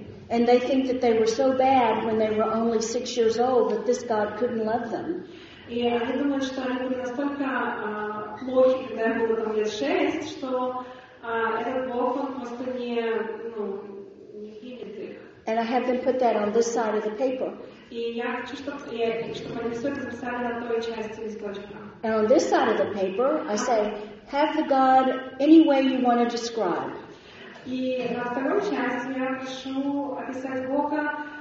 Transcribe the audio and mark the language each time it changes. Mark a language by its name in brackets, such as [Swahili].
[English] And they think that they were so bad when they were only 6 years old that this God couldn't love them. [Russian] И они думают, что они были настолько плохи, когда им было там лет 6, что этот Бог, он просто не, ну, не любит их. [English] And I have them put that on this side of the paper. [Russian] И я хочу, чтобы они все это записали на той части листочка. [English] And on this side of the paper, I say, have the God any way you want to describe. [Russian] И на второй части я прошу описать Бога.